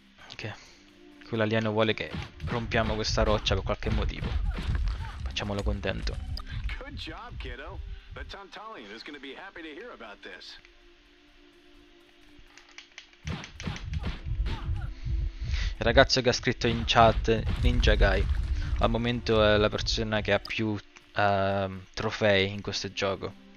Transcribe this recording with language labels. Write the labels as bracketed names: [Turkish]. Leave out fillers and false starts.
[Italian] Ok, quell'alieno vuole che rompiamo questa roccia per qualche motivo. Facciamolo contento. [English] Good job, kiddo. The Tantalian is gonna be happy to hear about this. [Italian] Il ragazzo che ha scritto in chat Ninja Guy al momento è la persona che ha più trofei in questo gioco.